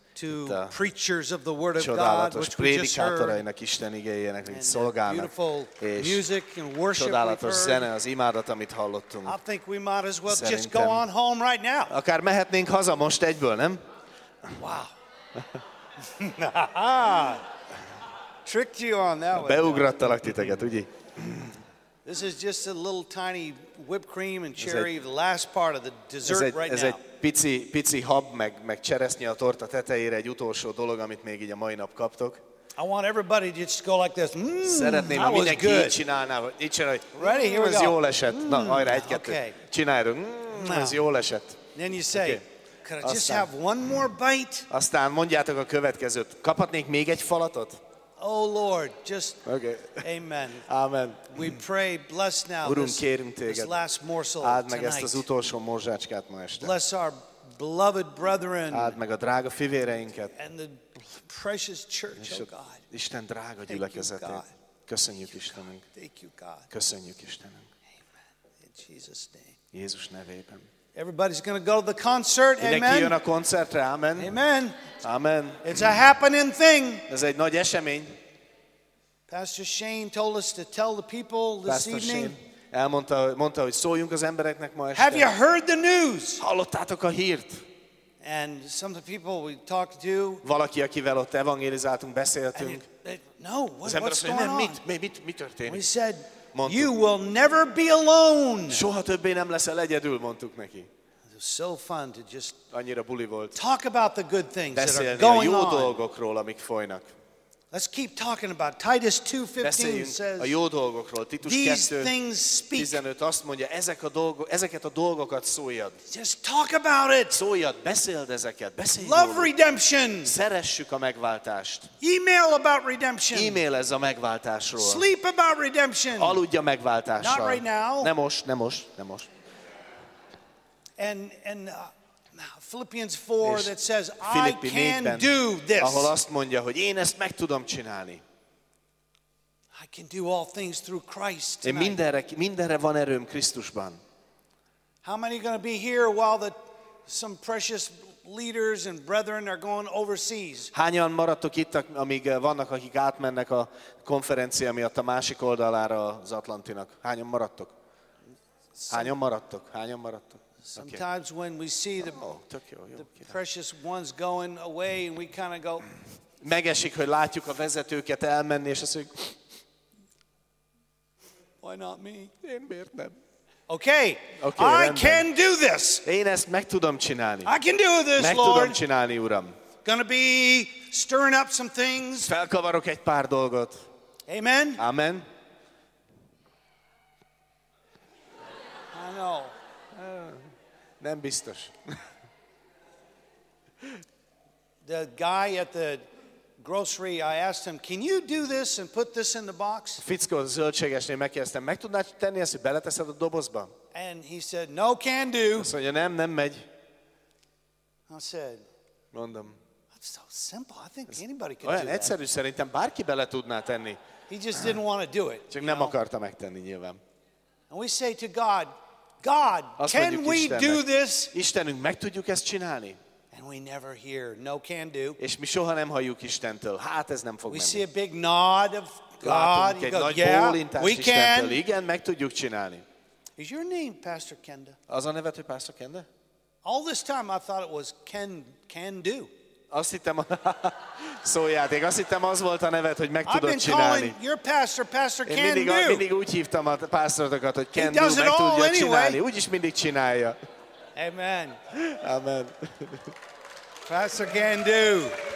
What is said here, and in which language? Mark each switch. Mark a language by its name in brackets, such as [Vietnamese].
[English] To preachers of the word of God, which we just [Hungarian] prédikátorainak, Isten igéjének, [English] and [Hungarian] szolgálnak, [English] beautiful [Hungarian] és [English] music and worship [Hungarian] csodálatos [English] we've [Hungarian] zene, az imádat, amit hallottunk. [English] I think we might as well just go on home right now. [Hungarian] Akár mehetnénk haza most egyből, nem? [English] Wow. Tricked you on that one. [Hungarian] Beugrattalak titeket, ugye? [English] This is just a little tiny whipped cream and cherry, the last part of the dessert right now. [Hungarian] Pici hab meg cseresznye a torta tetejére egy utolsó dolog, amit még így a mai nap kaptok. [English] I want everybody to just go like this. Mm, [Hungarian] szeretném, ha mindenki így csinálná, hogy így csinálj, [English] ready, here [Hungarian] ez jól esett. Mm, na, hajrá, egy-kettő. [English] Okay. [Hungarian] Csináljunk. Mm, ez jól esett. [English] Then you say, okay. Could I just [Hungarian] aztán, [English] have one more bite? [Hungarian] Aztán mondjátok a következőt. Kaphatnék még egy falatot? [English] Oh Lord, just okay. Amen. [Hungarian] Amen. [English] We pray, bless now [Hungarian] Urunk, [English] this last morsel [Hungarian] áld meg [English] tonight. [Hungarian] Ezt az utolsó morzsácskát ma este. [English] Bless our beloved brethren. [Hungarian] Áld meg a drága fivéreinket. [English] And the precious church, oh God. [Hungarian] Isten drága gyülekezetét. Köszönjük Istenünk. [English] Thank you, God. [Hungarian] Köszönjük Istenünk. [English] Amen. In Jesus' name. [Hungarian] Jézus nevében. [English] Everybody's going to go to the concert. Amen. [Hungarian] Mindenki jön a koncertre. Amen. Amen. Amen. [English] It's a happening thing. [Hungarian] Ez egy nagy esemény. [English] Pastor Shane told us to tell the people this evening. [Hungarian] Shane elmondta, hogy szóljunk az embereknek ma este. [English] Have you heard the news? [Hungarian] Hallottátok a hírt? [English] And some of the people we talked to. [Hungarian] Valaki, akivel ott evangelizáltunk, beszéltünk. [English] No, what's going on? [Hungarian] Mi történik? [English] We said, you will never be alone. [Hungarian] Soha többé nem leszel egyedül, mondtuk neki. [English] It was so fun to just [Hungarian] annyira buli volt. [English] Talk about the good things [Hungarian] beszélni [English] that are going [Hungarian] a jó dolgokról, amik folynak. [English] Let's keep talking about Titus 2:15 says. [Hungarian] A jó dolgokról. Titus 2:15 azt mondja, ezek a dolgok, ezeket a dolgokat szóljad. [English] Just talk about it. [Hungarian] Szóljad, beszéld ezeket, beszélj. [English] Love redemption. [Hungarian] Szeressük a megváltást. [English] Email about redemption. [Hungarian] E-mail ez a megváltásról. [English] Sleep about redemption. [Hungarian] Aludj a megváltásra. [English] Not right now. [Hungarian] Nem most. [English] And Philippians 4 that says I can do this. [Hungarian] Ahol azt mondja, hogy én ezt meg tudom csinálni. [English] I can do all things through Christ. [Hungarian] Én mindenre van erőm Krisztusban. [English] How many are going to be here while some precious leaders and brethren are going overseas? [Hungarian] Hányan maradtok itt, amíg vannak, akik átmennek a konferencia miatt a másik oldalára az Atlantinak? Hányan maradtok? [English] Sometimes when we see the precious ones going away and we kind of go [Hungarian] megesik, hogy látjuk a vezetőket elmenni, és azt mondjuk, [English] why not me? [Hungarian] Én miért nem? [English] Okay, I can do this. [Hungarian] Én ezt meg tudom csinálni. [English] I can do this, [Hungarian] meg [English] Lord. [Hungarian] Meg tudom csinálni, Uram. [English] Gonna be stirring up some things. [Hungarian] Felkavarok egy pár dolgot. [English] Amen. [Hungarian] Amen. [English] I know. [Hungarian] Nem biztos. [English] The guy at the grocery, I asked him, "Can you do this and put this in the box?" [Hungarian] Fickó, a zöldségesnél megkérdeztem, meg tudnád tenni ezt, hogy beleteszed a dobozba? [English] And he said, "No, can do." [Hungarian] Azt mondja, nem megy. [English] I said, [Hungarian] mondom, [English] "That's so simple. I think anybody can do that." [Hungarian] Olyan egyszerű, szerintem bárki bele tudná tenni. [English] He just didn't want to do it. [Hungarian] Csak nem akarta megtenni, nyilván. [English] And we say to God, God, [Hungarian] azt [English] can we do this? [Hungarian] Istenünk, meg tudjuk ezt csinálni? [English] And we never hear, no can do. [Hungarian] És mi soha nem halljuk Istentől. Hát ez nem fog [English] we [Hungarian] menni. [English] We see a big nod of God. [Hungarian] Látunk [English] we go, yeah, we [Hungarian] igen, meg tudjuk csinálni. [English] Is your name Pastor Kenda? [Hungarian] Az a neved, hogy Pastor Kenda? [English] All this time I thought it was can do. [Hungarian] Azt hittem, szójáték, azt hittem az volt a neved, hogy meg [English] I've [Hungarian] tudod csinálni. [English] Your pastor [Hungarian] én mindig úgy hívtam a pásztorokat, hogy [English] can do, [Hungarian] meg tudja [English] anyway. [Hungarian] Csinálni. Úgyis mindig csinálja. [English] Amen. [Hungarian] Amen. [English] Pastor can do.